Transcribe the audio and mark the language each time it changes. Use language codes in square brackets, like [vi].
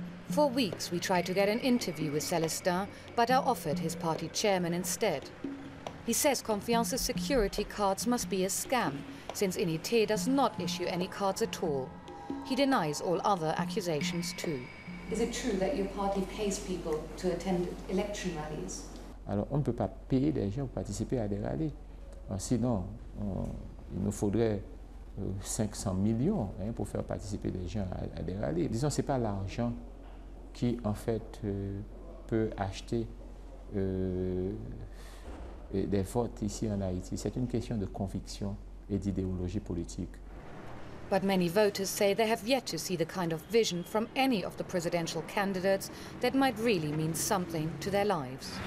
[en] For weeks, we tried to get an interview with Celestin, but are offered his party chairman instead. He says Confiance's security cards must be a scam, since Unité does not issue any cards at all. He denies all other accusations too. Is it true that your party pays people to attend election rallies? [fr] Alors on ne peut pas payer des gens pour participer à des rallyes. Sinon, il nous faudrait 500 millions hein, pour faire participer des gens à des rallyes. Disons, ce n'est pas l'argent qui, en fait, peut acheter des votes ici en Haïti. C'est une question de conviction et d'idéologie politique. [en] But many voters say they have yet to see the kind of vision from any of the presidential candidates that might really mean something to their lives.